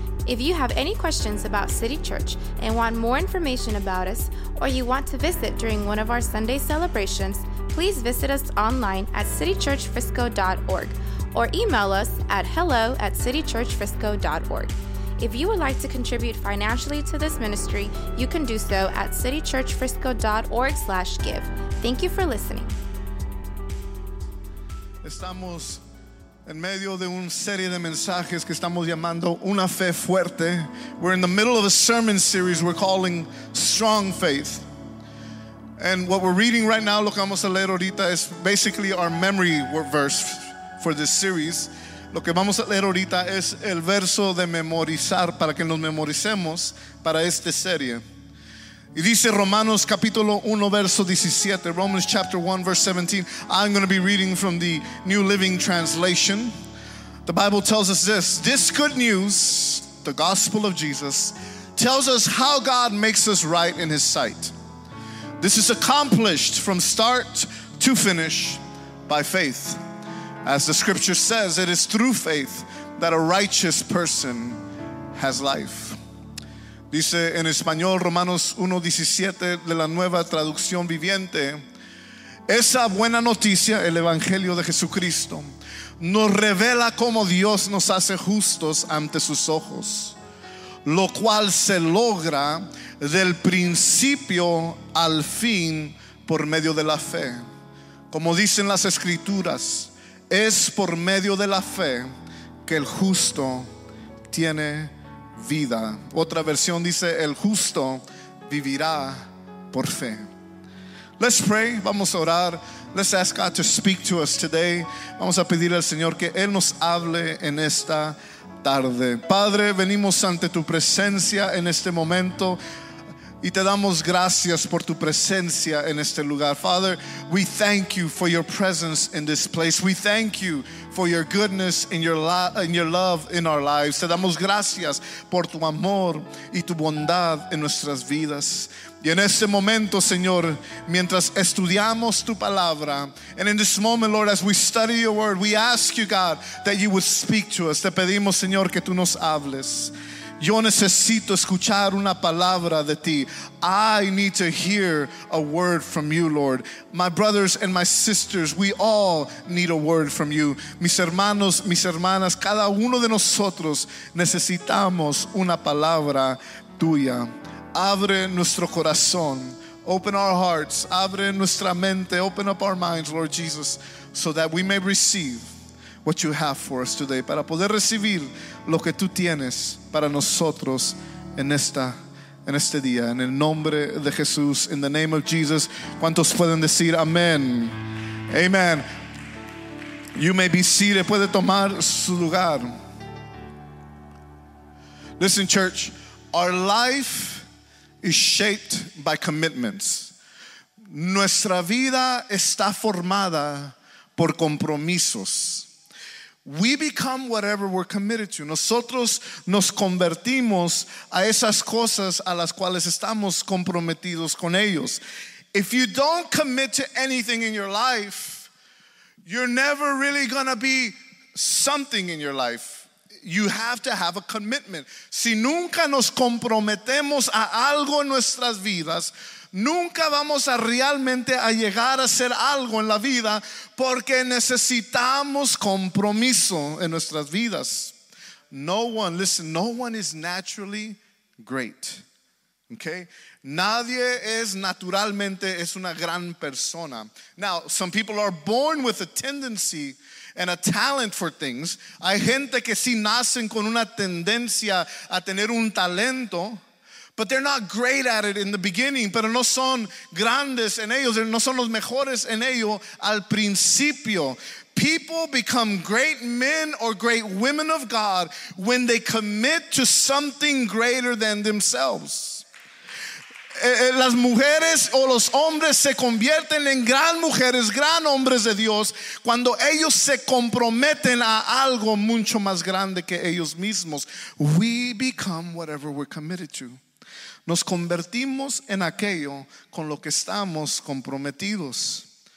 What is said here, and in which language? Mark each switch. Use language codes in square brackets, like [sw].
[en] If you have any questions about City Church and want more information about us, or you want to visit during one of our Sunday celebrations, please visit us online at citychurchfrisco.org or email us at hello@citychurchfrisco.org. If you would like to contribute financially to this ministry, you can do so at citychurchfrisco.org/give. Thank you for listening. [es] Estamos en medio de una serie de mensajes que estamos llamando Una Fe Fuerte. [en] We're in the middle of a sermon series we're calling Strong Faith. And what we're reading right now, [es] lo que vamos a leer ahorita, [en] is basically our memory verse for this series. [es] Lo que vamos a leer ahorita es el verso de memorizar para que nos memoricemos para esta serie. Y dice Romanos capítulo 1 verso 17, [en] Romans chapter 1 verse 17. I'm going to be reading from the New Living Translation. The Bible tells us this: this good news, the gospel of Jesus, tells us how God makes us right in his sight. This is accomplished from start to finish by faith. As the scripture says, it is through faith that a righteous person has life. [es] Dice en español, Romanos 1:17 de la Nueva Traducción Viviente. Esa buena noticia, el Evangelio de Jesucristo, nos revela cómo Dios nos hace justos ante sus ojos, lo cual se logra del principio al fin por medio de la fe. Como dicen las escrituras, es por medio de la fe que el justo tiene vida. Otra versión dice, el justo vivirá por fe. [en] Let's pray. [es] Vamos a orar. [en] Let's ask God to speak to us today. [es] Vamos a pedirle al Señor que Él nos hable en esta tarde. Padre, venimos ante tu presencia en este momento y te damos gracias por tu presencia en este lugar. [en] Father, we thank you for your presence in this place. We thank you for your goodness and your love in our lives. [es] Te damos gracias por tu amor y tu bondad en nuestras vidas. Y en este momento, Señor, mientras estudiamos tu palabra, [en] and in this moment, Lord, as we study your word, we ask you, God, that you would speak to us. [es] Te pedimos, Señor, que tú nos hables. Yo necesito escuchar una palabra de ti. [en] I need to hear a word from you, Lord. My brothers and my sisters, we all need a word from you. [es] Mis hermanos, mis hermanas, cada uno de nosotros necesitamos una palabra tuya. Abre nuestro corazón. [en] Open our hearts. [es] Abre nuestra mente. [en] Open up our minds, Lord Jesus, so that we may receive what you have for us today. [es] Para poder recibir lo que tú tienes para nosotros en este día. En el nombre de Jesús, [en] in the name of Jesus. [es] ¿Cuántos pueden decir amén? [en] Amen. You may be seated. [es] Puede tomar su lugar. [en] Listen, church. Our life is shaped by commitments. [es] Nuestra vida está formada por compromisos. [en] We become whatever we're committed to. [es] Nosotros nos convertimos a esas cosas a las cuales estamos comprometidos con ellos. [en] If you don't commit to anything in your life, you're never really gonna be something in your life. You have to have a commitment. [es] Si nunca nos comprometemos a algo en nuestras vidas, nunca vamos a realmente a llegar a hacer algo en la vida, porque necesitamos compromiso en nuestras vidas. [en] No one, listen, no one is naturally great. Okay? [es] Nadie es naturalmente es una gran persona. [en] Now, some people are born with a tendency and a talent for things. [es] Hay gente que sí nacen con una tendencia a tener un talento, [en] but they're not great at it in the beginning. [es] Pero no son grandes en ellos, no son los mejores en ello al principio. [en] People become great men or great women of God when they commit to something greater than themselves. [es] Las mujeres o los hombres se convierten en gran mujeres, gran hombres de Dios, cuando ellos se comprometen a algo mucho más grande que ellos mismos. [en] We become whatever we're committed to. [es] Nos convertimos en aquello con lo que estamos comprometidos.